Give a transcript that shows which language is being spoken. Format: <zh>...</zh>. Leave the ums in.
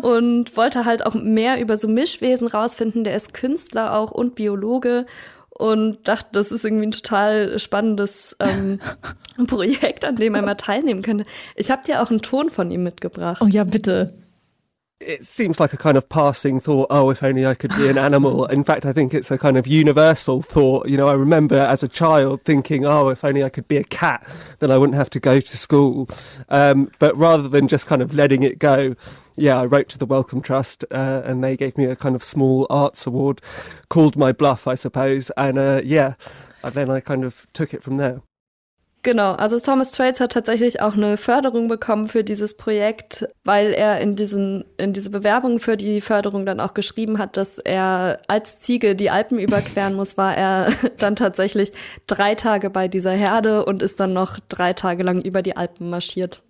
<de>und wollte halt auch mehr über so Mischwesen rausfinden. Der ist Künstler auch und Biologe. Und dachte, das ist irgendwie ein total spannendes ähm, Projekt, an dem er mal teilnehmen könnte. Ich habe dir auch einen Ton von ihm mitgebracht. Oh ja, bitte.</de> <en>it seems like a kind of passing thought. Oh, if only I could be an animal. In fact, I think it's a kind of universal thought. You know, I remember as a child thinking, oh, if only I could be a cat, then I wouldn't have to go to school. Um, but rather than just kind of letting it go, yeah, I wrote to the Wellcome Trust uh, and they gave me a kind of small arts award called My Bluff, I suppose. And uh, yeah, and then I kind of took it from there.</en> <de>Genau, also Thomas Trades hat tatsächlich auch eine Förderung bekommen für dieses Projekt, weil er in, diesen, in diese Bewerbung für die Förderung dann auch geschrieben hat, dass er als Ziege die Alpen überqueren muss, war er dann tatsächlich drei Tage bei dieser Herde und ist dann noch drei Tage lang über die Alpen marschiert.</de>